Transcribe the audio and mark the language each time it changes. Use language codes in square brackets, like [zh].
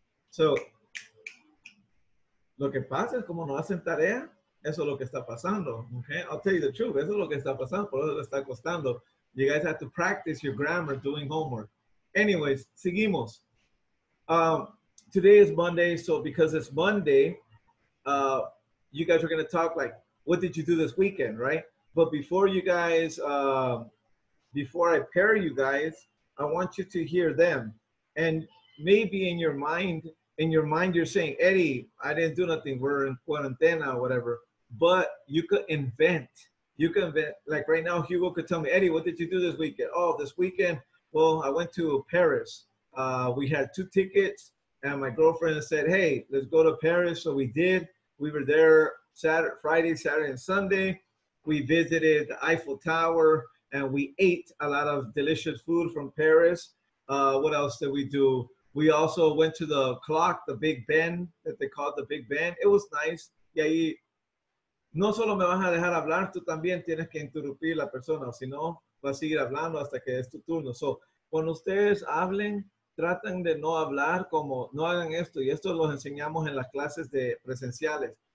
[es] So, lo que pasa es como no hacen tarea. Eso es lo que está pasando, okay? [en] I'll tell you the truth. [es] Eso es lo que está pasando. Por eso le está costando. [en] You guys have to practice your grammar doing homework. Anyways, [es] seguimos. [en] Today is Monday, so because it's Monday, you guys are going to talk like, what did you do this weekend, right? But before you guys, before I pair you guys, I want you to hear them. And maybe in your mind, you're saying, Eddie, I didn't do nothing. We're in quarantena or whatever. But you could invent. You can invent. Like right now, Hugo could tell me, Eddie, what did you do this weekend? Oh, this weekend, well, I went to Paris. We had two tickets, and my girlfriend said, hey, let's go to Paris. So we did. We were there Friday, Saturday, and Sunday. We visited the Eiffel Tower, and we ate a lot of delicious food from Paris. What else did we do? We also went to the clock, the Big Ben, that they called the Big Ben. It was nice. Yeah. [es] No solo me vas a dejar hablar, tú también tienes que interrumpir la persona, o si no, vas a seguir hablando hasta que es tu turno. So, cuando ustedes hablen, traten de no hablar como, no hagan esto, y esto los enseñamos en las clases de presenciales.